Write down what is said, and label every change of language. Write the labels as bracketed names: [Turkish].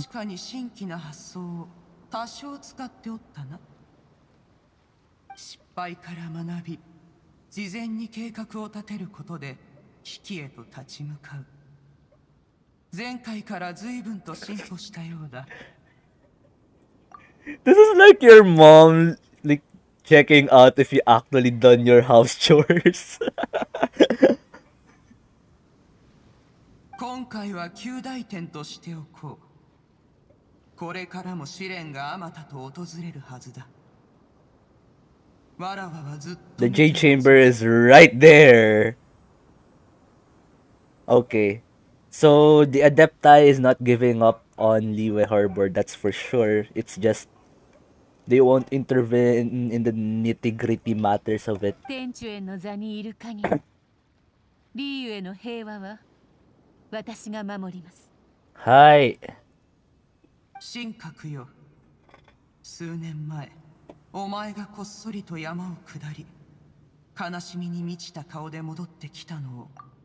[Japanese] 確かに新規な発想を多少使っておったな。失敗から学び、事前に計画を立てることで危機へと立ち向かう。前回から随分と進歩したようだ。 [English] This is like your mom like checking out if you actually done your house chores. [Japanese] 今回は旧大点としておこう。これからも試練があまたと訪れるはずだ。わらわはずっと。 [English] The J chamber is right there. Okay, so the Adepti is not giving up on Liyue Harbor, that's for sure. It's just they won't intervene in the nitty-gritty matters of it. [Japanese] 天柱への座にいる限り、Liyue への平和は私が守ります。はい。神格よ、数年前、お前がこっそりと山を下り、悲しみに満ちた顔で戻ってきたのを。